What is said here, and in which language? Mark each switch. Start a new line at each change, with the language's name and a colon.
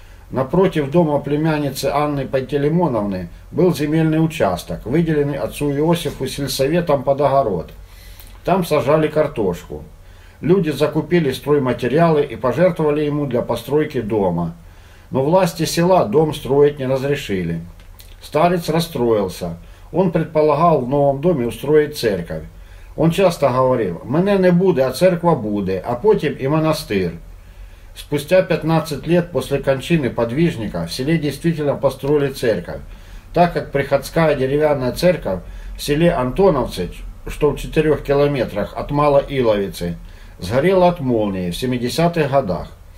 Russian: Напротив дома племянницы Анны Пантелеймоновны был земельный участок, выделенный отцу Иосифу сельсоветом под огород. Там сажали картошку. Люди закупили стройматериалы и пожертвовали ему для постройки дома. Но власти села дом строить не разрешили. Старец расстроился. Он предполагал в новом доме устроить церковь. Он часто говорил:
Ukrainian: «Мене не буде, а церква буде, а потім і монастир».
Russian: Спустя 15 лет после кончины подвижника в селе действительно построили церковь, так как приходская деревянная церковь в селе Антоновце, что в 4 километрах от Малоиловицы, сгорела от молнии в 70-х годах.